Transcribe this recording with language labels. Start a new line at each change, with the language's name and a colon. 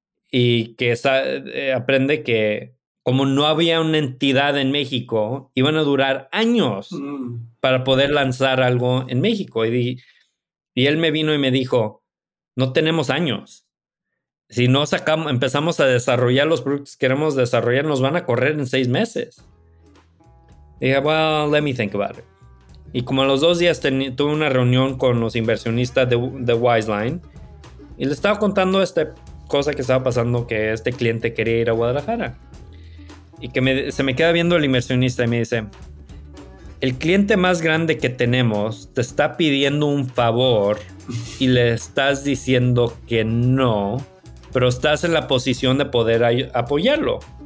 Spanish: Y que aprende que como no había una entidad en México, iban a durar años para poder lanzar algo en México. Y él me vino y me dijo, no tenemos años. Si no empezamos a desarrollar los productos que queremos desarrollar, nos van a correr en 6 meses. Dije,
English: well, let me think about it.
Spanish: Y como a los 2 días tuve una reunión con los inversionistas de Wiseline y le estaba contando esta cosa que estaba pasando, que este cliente quería ir a Guadalajara. Y que se me queda viendo el inversionista y me dice, el cliente más grande que tenemos te está pidiendo un favor y le estás diciendo que no, pero estás en la posición de poder apoyarlo.